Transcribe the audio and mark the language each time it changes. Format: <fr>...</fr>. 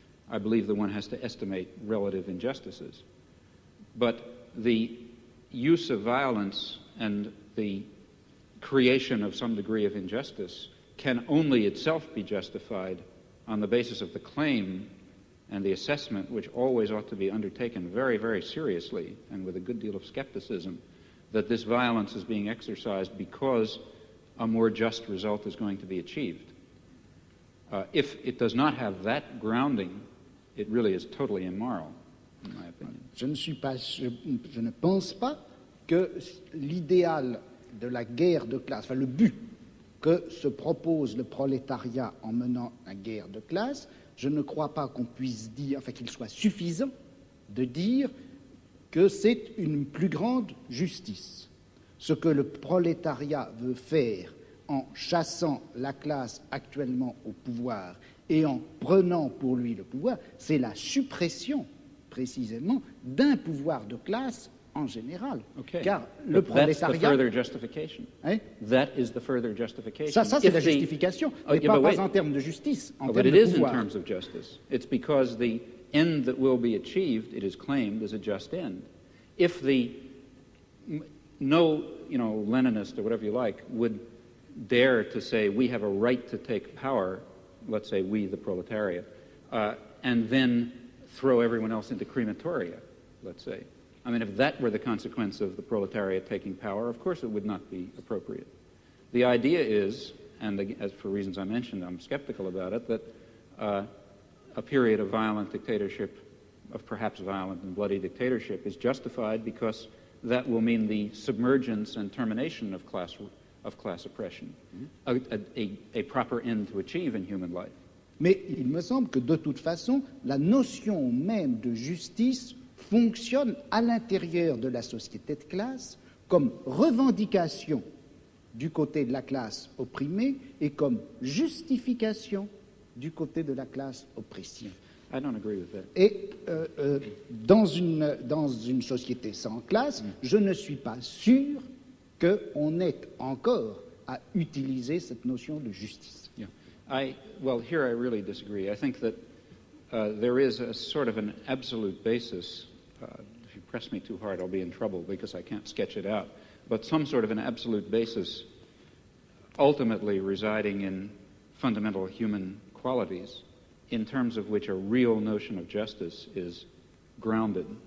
<en>I believe that one has to estimate relative injustices. But the use of violence and the creation of some degree of injustice can only itself be justified on the basis of the claim and the assessment, which always ought to be undertaken very, very seriously and with a good deal of skepticism, that this violence is being exercised because a more just result is going to be achieved. If it does not have that grounding, it really is totally immoral, in my opinion.</en> <fr>Je ne pense pas que l'idéal de la guerre de classe, enfin le but que se propose le prolétariat en menant la guerre de classe, je ne crois pas qu'on puisse dire, enfin qu'il soit suffisant de dire que c'est une plus grande justice. Ce que le prolétariat veut faire en chassant la classe actuellement au pouvoir et en prenant pour lui le pouvoir, c'est la suppression, précisément, d'un pouvoir de classe en général.</fr> <en>Okay.</en> <fr>Car</fr> <en>but</en> <fr>le prolétariat...</fr> <en>That's the further justification. Hein? That is the further justification.</en> <fr>Ça c'est if la justification, the... mais</fr> <en>yeah,</en> <fr>pas en termes de justice, en termes de pouvoir.</fr> <en>But it is in terms of justice. It's because the end that will be achieved, it is claimed, is a just end. If the... No, you know, Leninist or whatever you like would dare to say we have a right to take power, let's say we, the proletariat, and then throw everyone else into crematoria, let's say. I mean, if that were the consequence of the proletariat taking power, of course it would not be appropriate. The idea is, and as for reasons I mentioned, I'm skeptical about it, that a period of violent dictatorship, of perhaps violent and bloody dictatorship, is justified because that will mean the submergence and termination of class oppression, a proper end to achieve in human life.</en> <fr>Mais il me semble que de toute façon, la notion même de justice fonctionne à l'intérieur de la société de classe comme revendication du côté de la classe opprimée et comme justification du côté de la classe oppressive.</fr> <en>I don't agree with that.</en> <fr>Et dans une société sans classe, je ne suis pas sûr qu'on est encore à utiliser cette notion de justice.</fr> <en>Yeah. Here I really disagree. I think that there is a sort of an absolute basis. If you press me too hard, I'll be in trouble because I can't sketch it out. But some sort of an absolute basis ultimately residing in fundamental human qualities in terms of which a real notion of justice is grounded.</en>